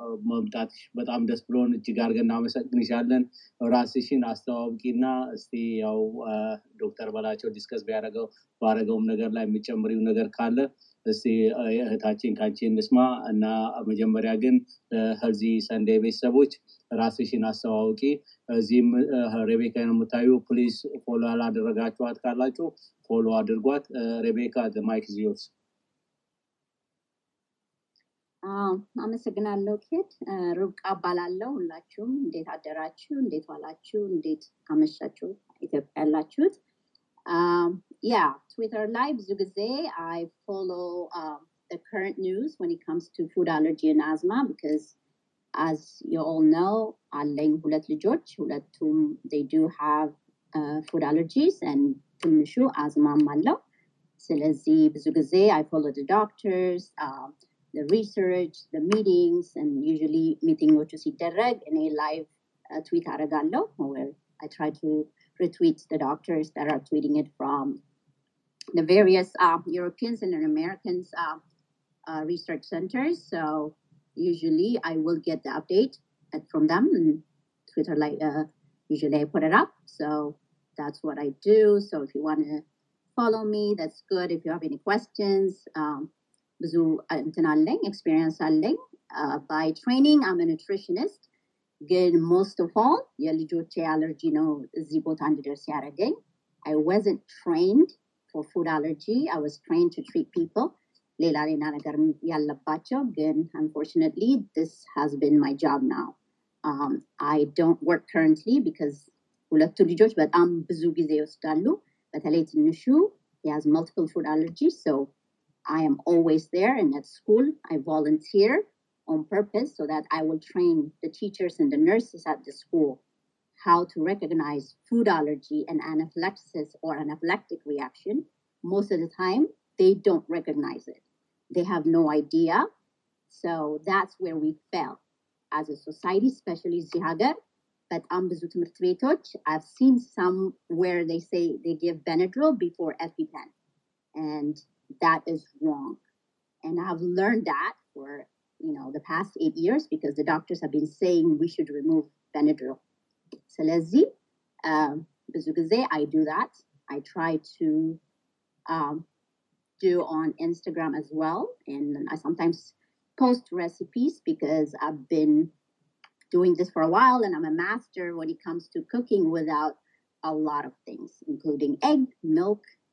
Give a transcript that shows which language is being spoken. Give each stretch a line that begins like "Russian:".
Amharic: መምጣትሽ በጣም ደስ ብሎን እጅግ አድርገን እናመሰግንሻለን። ራስሽን አስተዋውቂ እና እስቲ ያው ዶክተር በላቸው ዲስከስ ባረገውም ነገር ላይ የሚጨምሪው ነገር ካለ እስቲ እህታችን ከአንቺ እንስማ። እና መጀመሪያ ግን ሄልዚ ሰንዴይ ቤተሰቦች ራስሽን አስተዋውቂ። እዚህም ሬቤካ ነው የምታዩ። ፕሊዝ ፎሎ ያላደረጋችኋት ካላችሁ ፎሎ አድርጓት።
English: ሬቤካ ዘ ማይክ ኢዝ ዮርስ።
Amharic: አመሰግናለሁ ኬት። ርብቃ እባላለሁ። ሁላችሁም እንዴት አደራችሁ? እንዴት ዋላችሁ? እንዴት አመሻችሁ? ኢትዮጵያ ያላችሁት ያ ትዊተር ላይ ብዙ ጊዜ
English: አይ ፎሎ ዘ ከረንት ኒውስ ወን ኢት ካምስ ቱ ፉድ አለርጂ ኤንድ አዝማ ቢካዝ As you all know,
Amharic: አለኝ ሁለት ልጆች ሁለቱም
English: they do have food allergies and
Amharic: ትንሹ አዝማም አለው። ስለዚህ ብዙ ጊዜ
English: I follow the doctors, the research, the meetings and usually meetingዎቹ
Amharic: ሲደረግ እኔ
English: live tweet
Amharic: አደርጋለሁ
English: or I try to retweet the doctors that are tweeting it from the various Europeans and Americans research centers. So usually I will get the update from them and Twitter like usually I put it up. So that's what I do. So if you want to follow me, that's good. If you have any questions,
Amharic: ብዙ እንትን አለኝ
English: experience
Amharic: አለኝ.
English: By training, I'm a nutritionist.
Amharic: ግን
English: most of all,
Amharic: የልጆቼ allergy ነው እዚህ ቦታ እንድደርስ ያደረገኝ.
English: I wasn't trained for food allergy. I was trained to treat people.
Amharic: ሌላ ሌላ ነገር ያለባቸው ግን
English: unfortunately this has been my job now. I don't work currently because
Amharic: ሁለቱ ልጆች በጣም ብዙ ጊዜ ወስዳሉ።
English: በተለይ ትንሹ he has multiple food allergies, so I am always there and at school I volunteer on purpose so that I will train the teachers and the nurses at the school how to recognize food allergy and anaphylaxis or anaphylactic reaction. Most of the time they don't recognize it. They have no idea. So that's where we fail as a society, especially
Amharic: እዚህ ሀገር በጣም ብዙ ትምህርት ቤቶች.
English: I've seen some where they say they give Benadryl before EpiPen. And that is wrong. And I've learned that for, you know, the past 8 years because the doctors have been saying we should remove Benadryl.
Amharic: ስለዚህ ብዙ ጊዜ
English: I do that. I try to do on Instagram as well. And I sometimes post recipes because I've been doing this for a while and I'm a master when it comes to cooking without a lot of things, including egg, milk.